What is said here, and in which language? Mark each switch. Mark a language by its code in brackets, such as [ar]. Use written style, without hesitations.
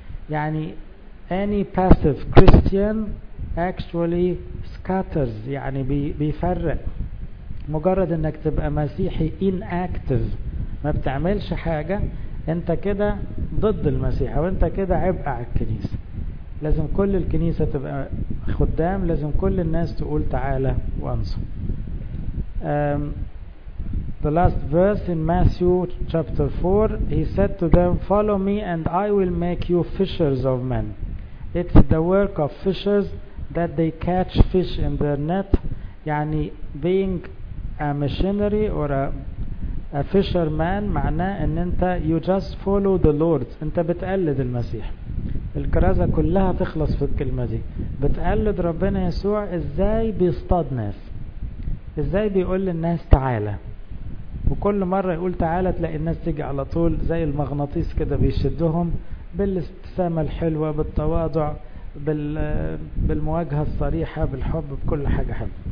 [en] يعني any passive Christian actually scatters, [ar] يعني بيفرق. مجرد انك تبقى مسيحي inactive ما بتعملش حاجة انت كده ضد المسيح وانت كده عبء على الكنيسة. لازم كل الكنيسة تبقى خدام, لازم كل الناس تقول تعالى وانصر. [en] The last verse in Matthew chapter 4, he said to them, follow me and I will make you fishers of men. It's the work of fishers that they catch fish in their net. يعني being a missionary or a fisherman [ar] معناه ان انت [en] you just follow the Lord. [ar] انت بتقلد المسيح. الكرازة كلها تخلص في الكلمة دي. بتقلد ربنا يسوع ازاي بيصطاد ناس, ازاي بيقول للناس تعالى, وكل مرة يقول تعالى تلاقي الناس تيجي على طول زي المغناطيس كده بيشدهم بالاستسامة الحلوة بالتواضع بالمواجهة الصريحة بالحب بكل حاجة حلوة.